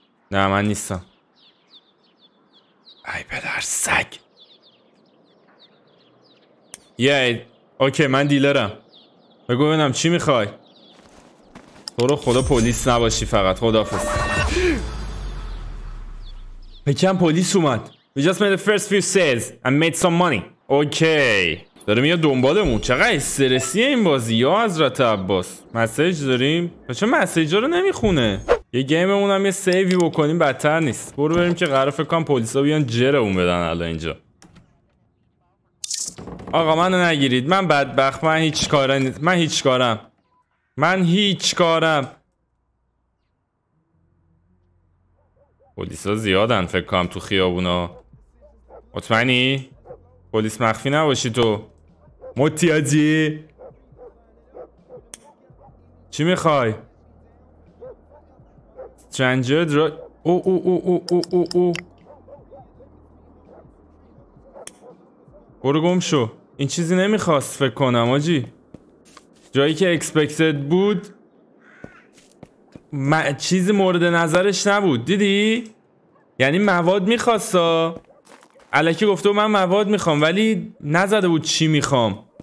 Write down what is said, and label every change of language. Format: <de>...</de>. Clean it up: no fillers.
<fa>نه من نیستم. ای پدر سگ. یه اوکی من دیلرم، بگو ببینم چی میخوای. تو رو خدا پلیس نباشی فقط، خداحافظ. پکم پلیس اومد.</fa> <en>We just made the first few sales and made some money.</en> <fa>اوکی داره میاد دنبالمون. چقدر استرسیه این بازی یا حضرت عباس. مسیج داریم بچه، مسیج ها رو نمیخونه. یه گیممون هم یه سیوی بکنیم بدتر نیست. برو بریم که قرار فکر کنم پلیس ها بیان جرمون بدن الان اینجا. آقا منو نگیرید، من بدبخت، من هیچ کاری نیست، من هیچ کارم، من هیچ کارم. پلیس ها زیادن فکر کنم تو خیابونا. مطمئنی؟ پلیس مخفی نباشی تو متیادی؟ چی میخوای؟ استرنجر درا... او او او او او او او برو گم شو. این چیزی نمیخواست فکر کنم آجی، جایی که اکسپیکتد بود چیزی مورد نظرش نبود. دیدی؟ یعنی مواد میخواستا؟ الکی گفته من مواد میخوام، ولی نزده بود چی میخوام.</fa>